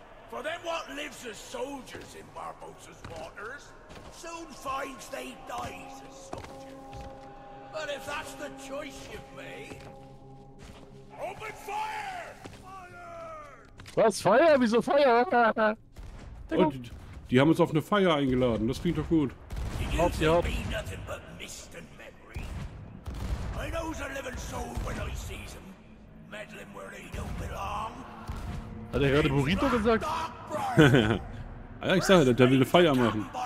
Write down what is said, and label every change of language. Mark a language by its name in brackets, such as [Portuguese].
[English] For them what lives as soldiers in Barbossa's waters soon finds they die as soldiers. But if that's the choice you've made, open fire! [German] Fire! Was? Feuer? Wieso Feuer? Und die haben uns auf eine Feier eingeladen. Das klingt doch gut. Hopp, ja. [English] Be nothing but mist and memory. I know a living soul when I see them meddling where they don't belong. [German] Hat er gerade Burrito gesagt? Ah ja, ich sag, der will eine Feier machen.